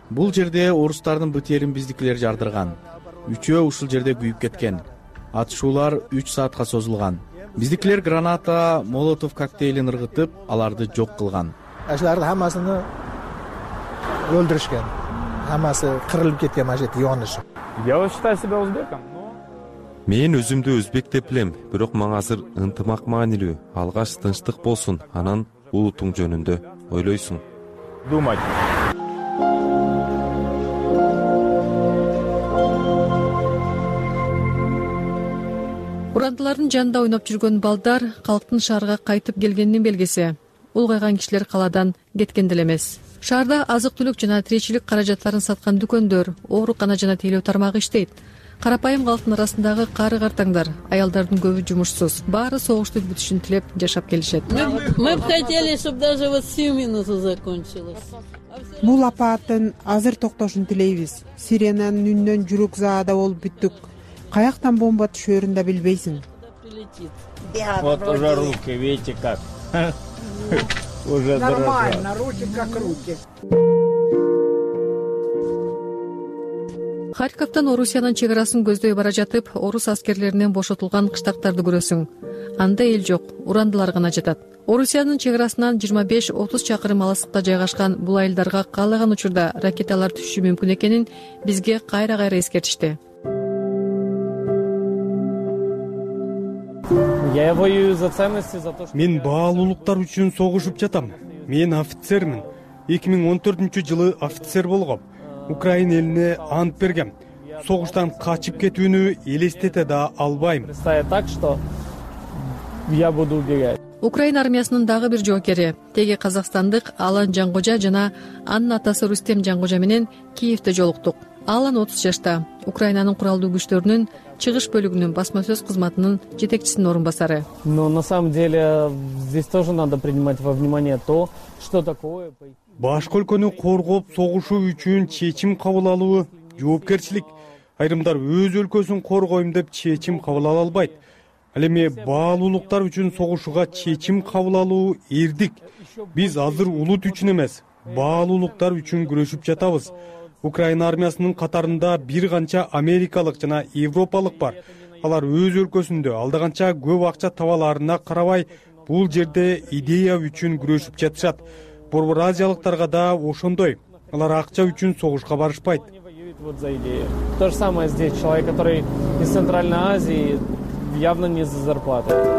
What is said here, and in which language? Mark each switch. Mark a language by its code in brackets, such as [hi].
[ky] Бул жерде орустардын БТРин биздикилер жардырган. Үчөө ушул жерде күйүп кеткен. Атышуулар 3 саатка созулган. Биздикилер граната, молотов коктейлин ыргытып, аларды жок кылган. Ошолорду хаммасын өлтүрүшкөн. Хаммасы кырылып кеткен мажет жоонуш. [ru] Я считаю себя узбеком, но [ky] мен өзүмдү өзбек деп билем, бирок мага азыр ынтымак маанилүү, алгач тынчтык болсун, анан улутуң жөнүндө ойлойсуң. [ru] Думать. [ky] Урандылардын жанында ойноп жүргөн балдар калктын шаарга кайтып келгенинин белгиси. Улгайган кишилер каладан кеткен деле эмес. Шаарда азык-түлүк жана тиричилик каражаттарын саткан дүкөндөр, оорукана жана тейлөө тармагы иштейт. Карапайым калктын арасындагы кары картаңдар, аялдардын көбү жумушсуз. Баары согуштун бүтүшүн тилеп жашап келишет. [ru] Мы бы хотели, чтобы даже вот 7 минусу закончилось. [ky] Бул апааттын азыр токтошун тилейбиз. Сиренанын үнүнөн жүрөк заада болуп бүттүк. Каяктан бомба түшөрүн да билбейсиң. [ru] Вот уже руки, видите как. Уже нормально, руки как руки. [ky] Харьковтан Орусиянын чек арасын көздөй бара жатып, орус аскерлеринен бошотулган кыштактарды көрөсүң. Анда эл жок, урандылар гана жатат. Орусиянын чек арасынан 25-30 чакырым алыскта жайгашкан бул айылдарга каалаган учурда ракеталар түшүшү мүмкүн экенин бизге кайра-кайра эскертишти. [ru] Я воюю за ценности, за то, что [ky] мен баалуулуктар үчүн согушуп жатам. Мен офицермин. 2014 жылы офицер болгом. Украина элине ант бергем. Согуштан качып кетүүнү элестете да албайм. [ru] Так что я буду убегать. [ky] Украина армиясынын дагы бир жоокери, теги казакстандык Алан Жангожа жана анын атасы Рустем Жангожа менен Киевде жолуктук. Алан 30 жашта, Украинанын куралдуу күчтөрүнүн чыгыш бөлүгүнүн басма сөз кызматынын жетекчисинин орун басары. [ru] Но на самом деле здесь тоже надо принимать во внимание то, что такое. [ky] Башка өлкөнү коргоп согушуу үчүн чечим кабыл алуу жоопкерчилик. Айрымдар өз өлкөсүн коргойм деп чечим кабыл ала албайт. Ал эми баалуулуктар үчүн согушууга чечим кабыл алуу эрдик. Биз азыр улут үчүн эмес, баалуулуктар үчүн күрөшүп жатабыз. Украина армиясынын катарында бир канча америкалык жана европалык бар. Алар өз өлкөсүндө алда канча көп акча табаларына карабай, бул жерде идея үчүн күрөшүп жатышат. Борбор азиялыктарга да ошондой. Алар акча үчүн согушка барышпайт. [ru] То же самое здесь, человек, который из Центральной Азии, явно не за зарплату.